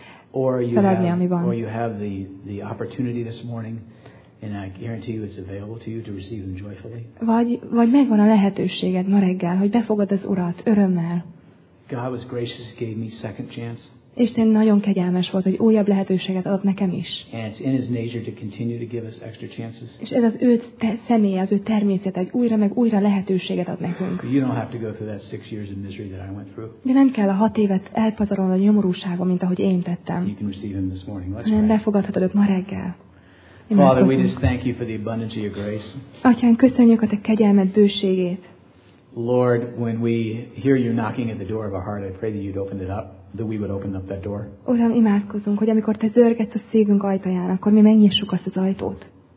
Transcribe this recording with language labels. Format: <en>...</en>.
<en>Or you have the opportunity this morning, and I guarantee you it's available to you to receive them joyfully.</en> <hu>Vagy megvan a lehetőséged ma reggel, hogy befogad az Urat örömmel.</hu> <en>God was gracious, gave me second chance.</en> <hu>Isten nagyon kegyelmes volt, hogy újabb lehetőséget adott nekem is.</hu> <en>And it's in His nature to continue to give us extra chances.</en> <hu>És ez az ő személye, az ő természete, hogy újra meg újra lehetőséget ad nekünk.</hu> <en>You don't have to go through that 6 years of misery that I went through.</en> <hu>De nem kell a 6 évet elpazarolni a nyomorúságon, mint ahogy én tettem.</hu> <en>You can receive Him this morning. Let's pray.</en> <hu>Nem befogadhatod ma reggel.</hu> <en>Father, we just thank you for the abundance of your grace.</en> <hu>Atyán, köszönjük a te kegyelmed bőségét.</hu> <en>Lord, when we hear you knocking at the door of our heart, I pray that you'd open it up. That we would open up that door.</en> <hu>Uram, imádkozunk, hogy amikor te zörgetsz a szívünk ajtaján, akkor mi megnyissuk azt az ajtót.</hu>